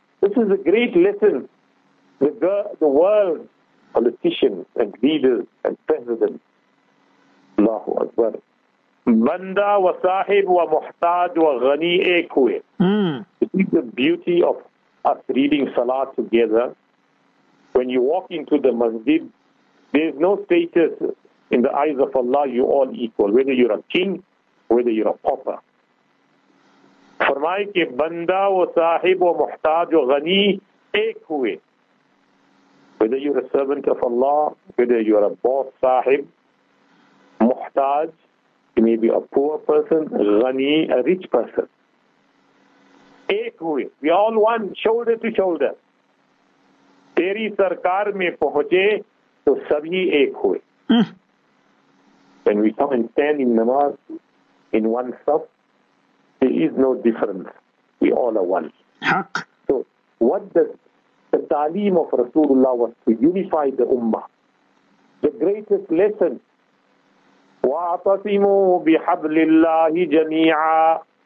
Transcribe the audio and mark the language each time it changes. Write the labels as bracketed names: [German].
[English] This is a great lesson that the world, politicians and leaders and presidents, Allahu Akbar, [Urdu] Banda wa sahib wa muhtaj wa ghani ek huye. [English] This is the beauty of us reading Salah together. When you walk into the masjid, there is no status in the eyes of Allah, you all equal. Whether you're a king, whether you're a pauper. [Urdu] فرمائے کہ بندہ و صاحب و محتاج و غنی ایک ہوئے. [English] Whether you're a servant of Allah, whether you're a boss, صاحب, محتاج, you may be a poor person, غنی, a rich person. [Urdu] ایک ہوئے. [English] We all one, shoulder to shoulder. [Urdu] تیری سرکار میں پہنچے تو سب ہی ایک ہوئے. [English] When we come and stand in namaz, in one self, there is no difference. We all are one. [Urdu] Haq. [English] So, what does the ta'aleem of Rasulullah was to unify the ummah? The greatest lesson, [Arabic] وَاعْتَصِمُوا بِحَبْلِ اللَّهِ جَمِيعًا.